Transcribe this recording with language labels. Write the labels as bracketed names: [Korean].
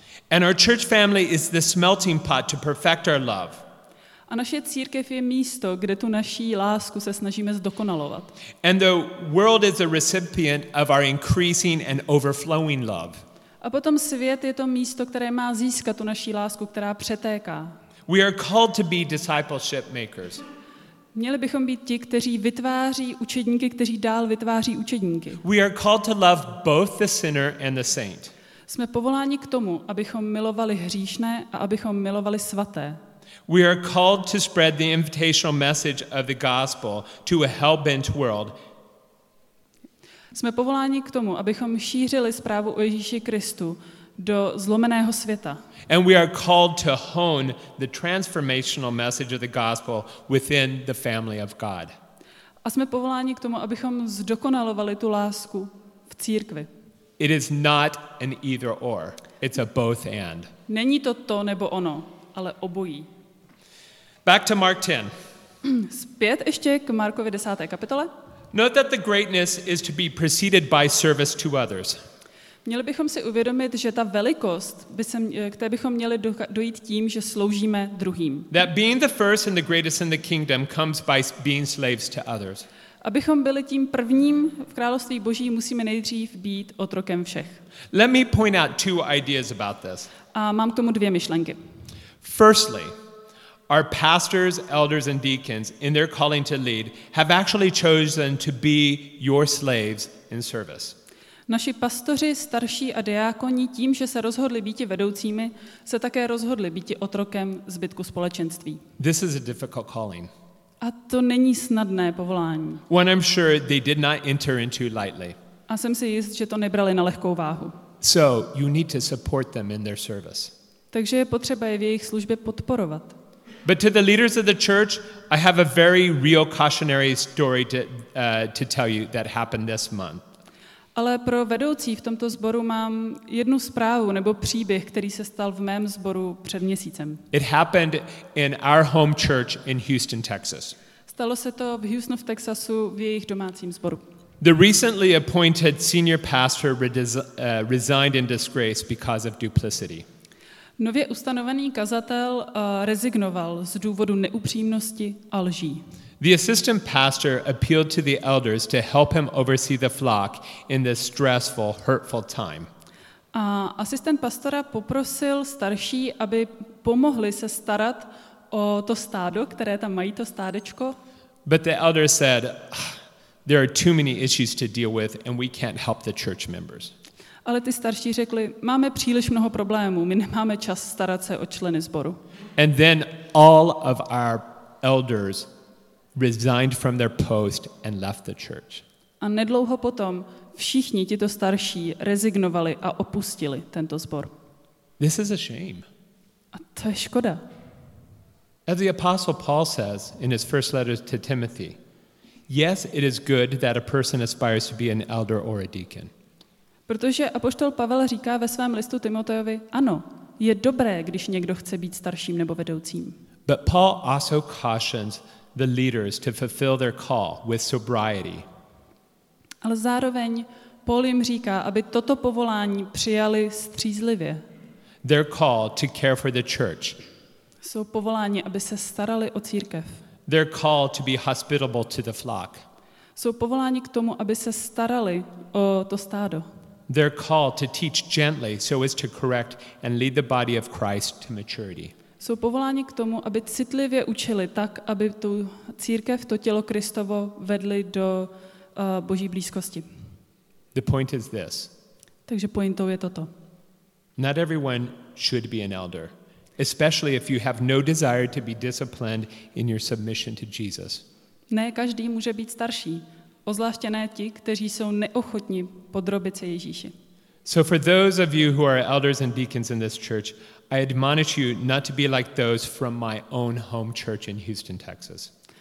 [English] And our church family is the smelting pot to perfect our love. [Czech] A naše církev je místo, kde tu naší lásku se snažíme zdokonalovat. [English] And the world is a recipient of our increasing and overflowing love. [Czech] A potom svět je to místo, které má získat tu naší lásku, která přetéká. [English] We are called to be discipleship makers. [Czech] Měli bychom být ti, kteří vytváří učedníky, kteří dál vytváří učedníky. [English] We are called to love both the sinner and the saint. [Czech] Jsme povoláni k tomu, abychom milovali hříšné a abychom milovali svaté. [English] We are called to spread the invitational message of the gospel to a hell-bent world. [Czech] Jsme povoláni k tomu, abychom šířili zprávu o Ježíši Kristu do zlomeného světa. [English] And we are called to hone the transformational message of the gospel within the family of God. [Czech] A jsme povoláni k tomu, abychom zdokonalovali tu lásku v církvi. [English] It is not an either or. It's a both and. [Czech] Není to to nebo ono, ale obojí. [English] Back to Mark 10. [Czech] Zpět ještě k Markovi 10. kapitole. [English] Note that the greatness is to be preceded by service to others. [Czech] Měli bychom si uvědomit, že ta velikost, které bychom měli dojít tím, že sloužíme druhým. [English] That being the first and the greatest in the kingdom comes by being slaves to others. [Czech] Abychom byli tím prvním v království Boží, musíme nejdřív být otrokem všech. [English] Let me point out two ideas about this. [Czech] A mám k tomu dvě myšlenky. [English] Firstly, our pastors, elders, and deacons, in their calling to lead, have actually chosen to be your slaves in service. [Czech] Naši pastoři, starší a diákoni, tím, že se rozhodli být vedoucími, se také rozhodli být otrokem zbytku společenství. [English] This is a difficult calling. [Czech] A to není snadné povolání. [English] One I'm sure they did not enter into lightly. [Czech] A jsem si jist, že to nebrali na lehkou váhu. [English] So you need to support them in their service. [Czech] Takže je potřeba je v jejich službě podporovat. [English] But to the leaders of the church, I have a very real cautionary story to tell you that happened this month. [Czech] Ale pro vedoucí v tomto sboru mám jednu zprávu nebo příběh, který se stal v mém sboru před měsícem. [English] It happened in our home church in Houston, Texas. [Czech] Stalo se to v Houstonu, v Texasu, v jejich domácím sboru. [English] The recently appointed senior pastor resigned in disgrace because of duplicity. [Czech] Nově ustanovený kazatel rezignoval z důvodu neupřímnosti a lží. [English] The assistant pastor appealed to the elders to help him oversee the flock in this stressful, hurtful time. [Czech] A asistent pastora poprosil starší, aby pomohli se starat o to stádo, které tam mají to stádečko. [English] But the elder said, There are too many issues to deal with and we can't help the church members. [Czech] Ale ty starší řekli, máme příliš mnoho problémů, my nemáme čas starat se o členy sboru. [English] And then all of our elders resigned from their post and left the church. [Czech] A nedlouho potom všichni tito starší rezignovali a opustili tento sbor. [English] This is a shame. [Czech] A to je škoda. [English] As the apostle Paul says in his first letter to Timothy, yes, it is good that a person aspires to be an elder or a deacon. [Czech] Protože apoštol Pavel říká ve svém listu Timoteovi, ano, je dobré, když někdo chce být starším nebo vedoucím. [English] But Paul also cautions the leaders to fulfill their call with sobriety. [Czech] Ale zároveň Paul jim říká, aby toto povolání přijali střízlivě. [English] Their call to care for the church. [Czech] Jsou povoláni, aby se starali o církev. [English] Their call to be hospitable to the flock. [Czech] Jsou povoláni k tomu, aby se starali o to stádo. [English] Their call to teach gently so as to correct and lead the body of Christ to maturity. [Czech] Jsou povoláni k tomu, aby citlivě učili tak, aby tu církev, to tělo Kristovo vedli do Boží blízkosti. [English] The point is this. [Czech] Takže pointou je toto. [English] Not everyone should be an elder, especially if you have no desire to be disciplined in your submission to Jesus. [Czech] Ne každý může být starší, obzvláště ne ti, kteří jsou neochotní podrobit se Ježíši. [English] So for those of you who are elders and deacons in this church, I admonish you not to be like those from my own home church in Houston, Texas.